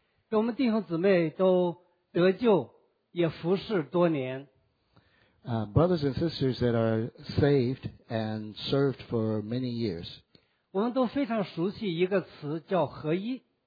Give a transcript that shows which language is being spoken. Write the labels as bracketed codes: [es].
[zh] 我们弟兄姊妹都得救，也服侍多年。 [en] Brothers and sisters that are saved and served for many years. [zh] 我们都非常熟悉一个词叫合一。